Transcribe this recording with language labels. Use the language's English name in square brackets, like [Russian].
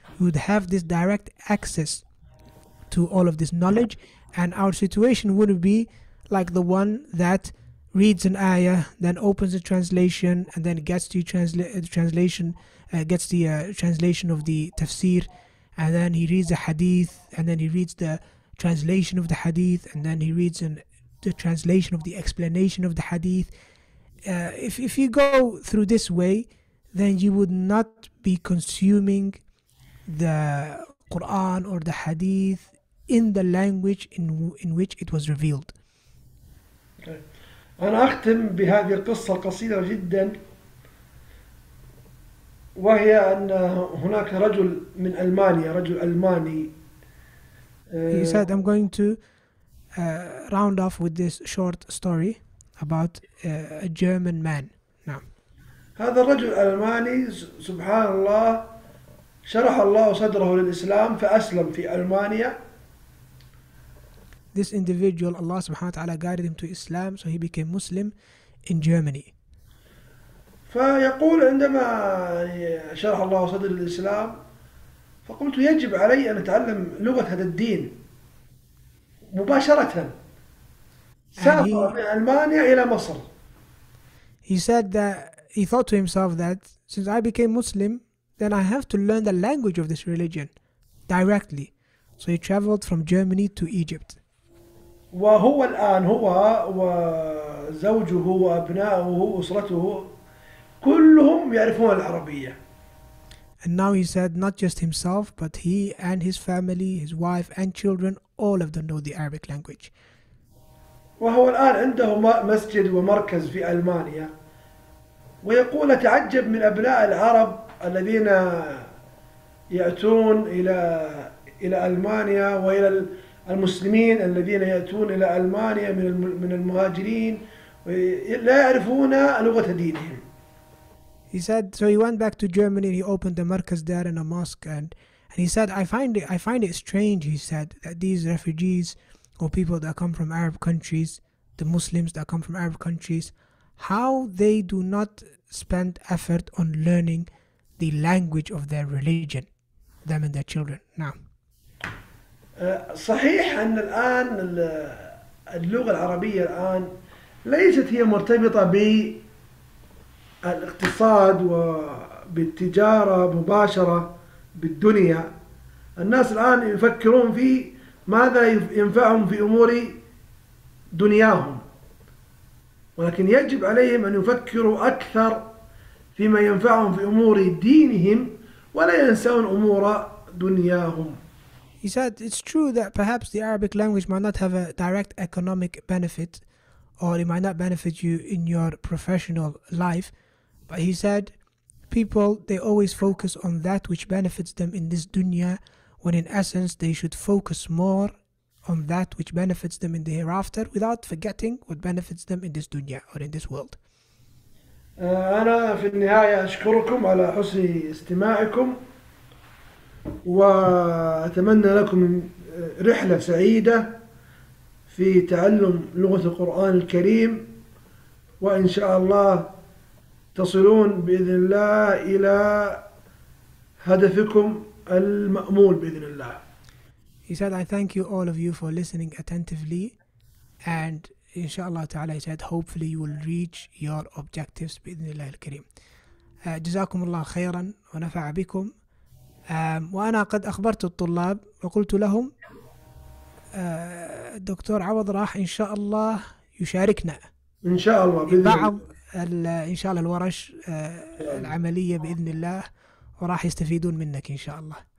[English] We would have this direct access to all of this knowledge, and our situation wouldn't be like the one that reads an ayah, then opens a translation, and then gets the translation of the tafsir, and then he reads the hadith, and then he reads the translation of the hadith, and then he reads the translation of the explanation of the hadith. If you go through this way, then you would not be consuming the Quran or the hadith in the language in which it was revealed. [Arabic] أنا أختم بهذه القصة القصيرة جدا وهي أن هناك رجل من ألمانيا رجل ألماني. [English] He said, I'm going to round off with this short story about a German man. [Arabic] نعم. هذا الرجل الألماني سبحان الله شرح الله صدره للإسلام فأسلم في ألمانيا. [English] This individual, Allah subhanahu wa ta'ala guided him to Islam, so he became Muslim in Germany. [Arabic] فيقول عندما شرح الله صدر الإسلام فقلت يجب علي أن أتعلم لغة هذا الدين مباشرة سافر من ألمانيا إلى مصر. [English] He said that he thought to himself that since I became Muslim, then I have to learn the language of this religion directly. So he traveled from Germany to Egypt. [Arabic] وهو الآن هو وزوجه وأبنائه وأسرته كلهم يعرفون العربية. [English] And now he said, not just himself, but he and his family, his wife and children, all of them know the Arabic language. [Arabic] وهو الآن عنده مسجد ومركز في ألمانيا ويقول أتعجب من أبناء العرب الذين يأتون إلى ألمانيا وإلى المسلمين الذين يأتون إلى ألمانيا من المهاجرين لا يعرفون لغة دينهم. [English] He said, so he went back to Germany and he opened the markaz there in a mosque, and he said, I find it strange, he said, that these refugees or people that come from Arab countries, the Muslims that come from Arab countries, how they do not spend effort on learning the language of their religion, them and their children. Now, [Arabic] صحيح أن الآن اللغة العربية الآن ليست هي مرتبطة بالاقتصاد وبالتجارة مباشرة بالدنيا. الناس الآن يفكرون في ماذا ينفعهم في أمور دنياهم، ولكن يجب عليهم أن يفكروا أكثر فيما ينفعهم في أمور دينهم ولا ينسون أمور دنياهم. [English] He said, it's true that perhaps the Arabic language might not have a direct economic benefit, or it might not benefit you in your professional life. But he said, people, they always focus on that which benefits them in this dunya, when in essence they should focus more on that which benefits them in the hereafter, without forgetting what benefits them in this dunya or in this world. [Arabic] أنا في النهاية أشكركم على حسن استماعكم وأتمنى لكم رحلة سعيدة في تعلم لغة القرآن الكريم وإن شاء الله تصلون بإذن الله إلى هدفكم المأمول بإذن الله. [English] He said, I thank you all of you for listening attentively, and [Arabic] إن شاء الله تعالى, [English] he said, hopefully you will reach your objectives [Arabic] بإذن الله الكريم. جزاكم الله خيرا ونفع بكم. وأنا قد أخبرت الطلاب وقلت لهم الدكتور عوض راح إن شاء الله يشاركنا إن شاء الله بإذن الله إن شاء الله الورش العملية بإذن الله وراح يستفيدون منك إن شاء الله